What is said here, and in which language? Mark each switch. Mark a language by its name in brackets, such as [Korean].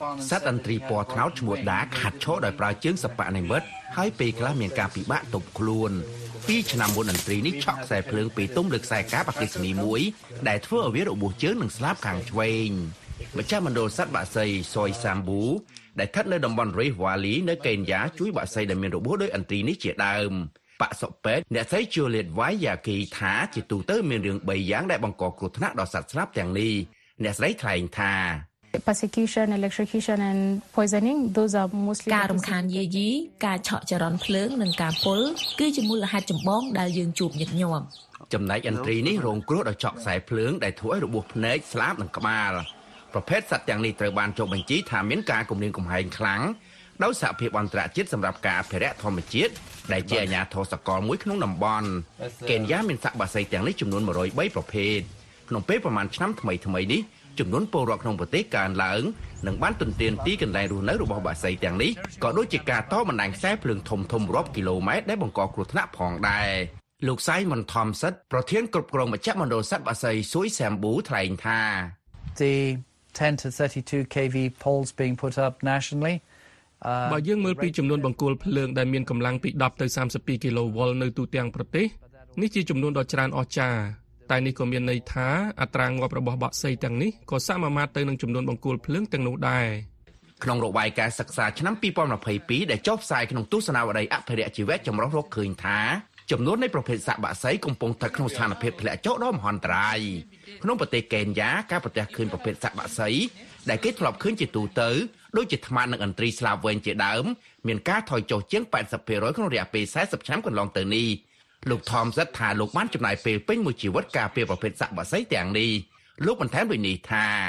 [Khmer] សត្វអន្ទ្រីពណ៌ត្នោតឈ្មោះ Dark ហាត់ឈរដោយប្រើជើងសបនិមិត្តហើយពេលខ្លះមានការពិបាកទប់ខ្លួន2ឆ្នាំមុនអន្ទ្រីនេះឆក់ខ្សែភ្លើងពីទុំលើខ្សែកាបអគ្គិសនីមួយដែលធ្វើឲ្យវារបួសជើងនិងស្លាប់ខាងឆ្វេងម្ចាស់មណ្ឌលសត្វបក្សីសយសាំប៊ូដែលស្ថិតនៅតំបន់រីវ៉ាលីនៅកេនយ៉ាជួយបក្សីដែលមានរបួសដោយអន្ទ្រីនេះជាដើមបក្សពេទ្យអ្នកស្រីជូលៀតវ៉ាយ៉ាគីថាជាទូទៅមានរឿង3យ៉ាងដែលបង្កគ្រោះថ្នាក់ដល់សត្វស្លាប់ទាំងនេះអ្នកស្រីថ្លែងថា [English] persecution electrocution and poisoning those are mostly [Khmer] ការរំខានយាយីការឆក់ចរន្តភ្លើងនិងការពុលគឺជាមូលហេតុចម្បងដែលយើងជួបញឹកញាប់ចំណែកអន្ទ្រីនេះរងគ្រោះដោយឆក់ខ្សែភ្លើងដែលធ្វើឲ្យរបួសភ្នែកស្លាប់និងក្បាលប្រភេទសត្វទាំងនេះត្រូវបានចុះបញ្ជីថាមានការគំរាមកំហែងខ្លាំង ដោយសហភាពអន្តរជាតិសម្រាប់ការអភិរក្សធម្មជាតិដែលជាអាជ្ញាធរសកលមួយក្នុងតំបន់កេនយ៉ាមានសត្វបក្សីទាំងនេះចំនួន103ប្រភេទក្នុងពេលប្រមាណឆ្នាំថ្មីៗនេះចំនួនពលរដ្ឋក្នុងប្រទេសកើនឡើងនិងបានទន្ទ្រានទីកន្លែងរស់នៅរបស់បក្សីទាំងនេះក៏ដូចជាការតបណ្ដាញខ្សែភ្លើងធំធំរាប់គីឡូម៉ែត្រដែលបង្កគ្រោះថ្នាក់ផងដែរលោកសៃមុនថមសិតប្រធានគ្រប់គ្រងមជ្ឈមណ្ឌលសត្វបក្សីស៊ុយសាំប៊ូថ្លែងថា [English] 10 to 32 kV poles being put up nationally [Khmer] បើយើងមើលពីចំនួនបង្គោលភ្លើងដែលមានកម្លាំងពី10ទៅ32 kV នៅទូទាំងប្រទេសនេះជាចំនួនដ៏ច្រើនអស្ចារ្យតែនេះក៏មានន័យថាអត្រាងាប់របស់បក្សីទាំងនេះក៏សមាមាត្រទៅនឹងចំនួនបង្គោលភ្លើងទាំងនោះដែរ ក្នុងរបាយការណ៍សិក្សាឆ្នាំ2022ដែលចុះផ្សាយក្នុងទស្សនវដ្តីអភិរក្សជីវៈចម្រុះរកឃើញថាចំនួននៃប្រភេទសត្វបក្សីកំពុងស្ថិតក្នុងស្ថានភាពធ្លាក់ចុះដ៏មហន្តរាយក្នុងប្រទេសកេនយ៉ាការប្រទះឃើញប្រភេទសត្វបក្សីដែលគេធ្លាប់ឃើញជាទូទៅដូចជាថ្មនិងអន្ទ្រីស្លាបវែងជាដើមមានការថយចុះជាង 80% ក្នុងរយៈពេល40ឆ្នាំកន្លងទៅនេះលោកថមសិតថាលោកបានចំណាយពេលពេញមួយជីវិតការពារប្រភេទសត្វបក្សីទាំងនេះលោកបន្ថែមដូចនេះថា